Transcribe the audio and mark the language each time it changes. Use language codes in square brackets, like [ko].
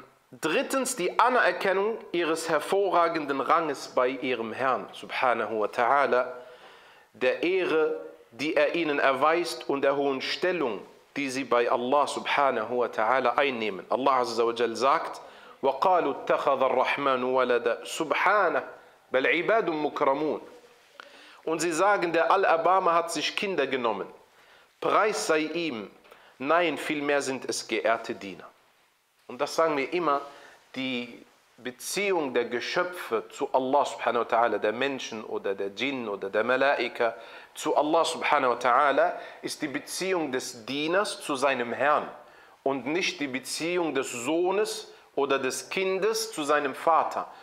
[de] Drittens, die Anerkennung ihres hervorragenden Ranges bei ihrem Herrn. Subhanahu wa ta'ala. Der Ehre, die er ihnen erweist und der hohen Stellung, die sie bei Allah subhanahu wa ta'ala einnehmen. [ar] Allah azza wa jal sagt, وَقَالُوا اتَّخَذَ الرَّحْمَنُ وَلَدَ سُبْحَانَهُ بَلْ عِبَادٌ مُكْرَمُونَ. [de] Und sie sagen, der Al-Abama hat sich Kinder genommen. Preis sei ihm, nein, vielmehr sind es geehrte Diener. Und das sagen wir immer, die Beziehung der Geschöpfe zu Allah subhanahu wa ta'ala, der Menschen oder der Djinn oder der Malaika, zu Allah subhanahu wa ta'ala ist die Beziehung des Dieners zu seinem Herrn und nicht die Beziehung des Sohnes oder des Kindes zu seinem Vater.